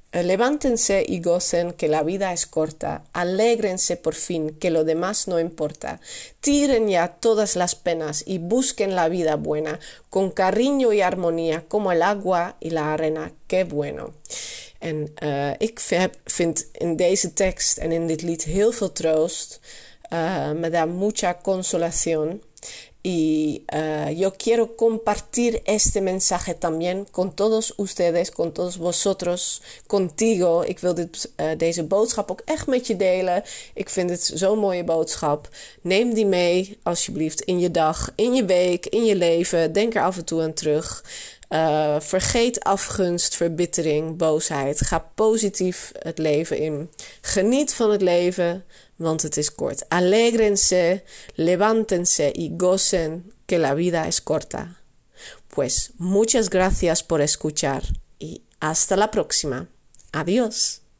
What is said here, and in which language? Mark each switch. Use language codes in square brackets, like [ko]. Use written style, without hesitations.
[es] Levántense y gocen que la vida es corta. Alégrense por fin que lo demás no importa. Tiren ya todas las penas y busquen la vida buena con cariño y armonía como el agua y la arena. ¡Qué bueno! [nl] En ik vind in deze tekst en in dit lied heel veel troost. [es] Me da mucha consolación. Y yo quiero compartir este mensaje también con todos ustedes, con todos vosotros, contigo. [nl] Ik wil deze boodschap ook echt met je delen. Ik vind het zo'n mooie boodschap. Neem die mee, alsjeblieft, in je dag, in je week, in je leven. Denk er af en toe aan terug. Vergeet afgunst, verbittering, boosheid. Ga positief het leven in. Geniet van het leven. Want het is kort. [es] Alégrense, levántense y gocen que la vida es corta. Pues muchas gracias por escuchar y hasta la próxima. Adiós.